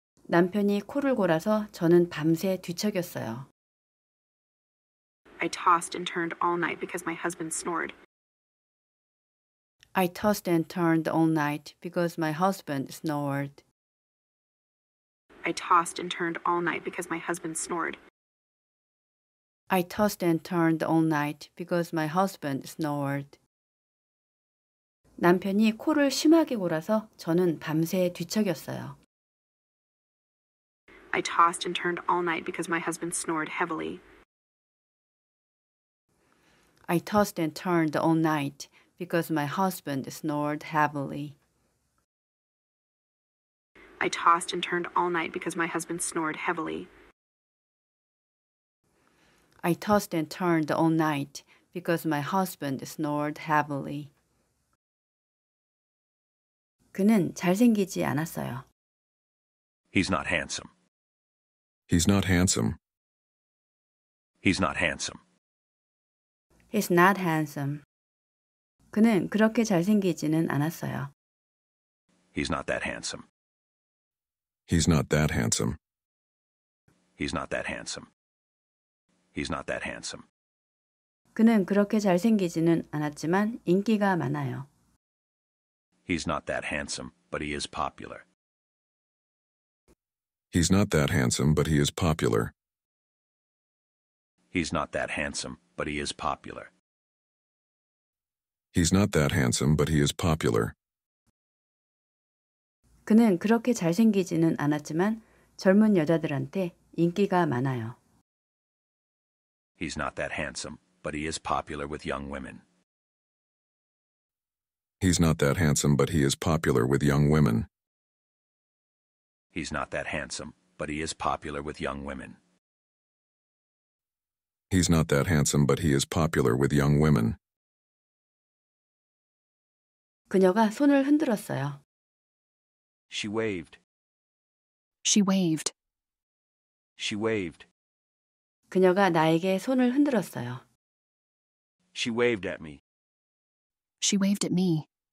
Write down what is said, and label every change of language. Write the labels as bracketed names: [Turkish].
[Korean] 남편이 코를 골아서 저는 밤새 뒤척였어요. [English] I tossed and turned all night because my husband snored. I tossed and turned all night because my husband snored. I tossed and turned all night because my husband snored. I tossed and turned all night because my husband snored. [Korean] 남편이 코를 심하게 골아서 저는 밤새 뒤척였어요. [English] I tossed and turned all night because my husband snored heavily. I tossed and turned all night because my husband snored heavily. I tossed and turned all night because my husband snored heavily. I tossed and turned all night because my husband snored heavily. [Korean] 그는 잘생기지 않았어요. [English] He's not handsome. He's not handsome. He's not handsome. He's not handsome. [Korean] 그는 그렇게 잘생기지는 않았어요. [English] He's not that handsome. He's not that handsome. He's not that handsome. He's not that handsome. [Korean] 그는 그렇게 잘생기지는 않았지만 인기가 많아요. [English] He's not that handsome, but he is popular. He's not that handsome, but he is popular. He's not that handsome, but he is popular. He's not that handsome, but he is popular. [Korean] 그는 그렇게 잘생기지는 않았지만 젊은 여자들한테 인기가 많아요. [English] He's not that handsome, but he is popular with young women. He's not that handsome, but he is popular with young women. He's not that handsome, but he is popular with young women. He's not that handsome, but he is popular with young women. [Korean] 그녀가 손을 흔들었어요. [English] She waved. She waved. She waved. [Korean] 그녀가 나에게 손을 흔들었어요. [English] She waved at me. She waved at me.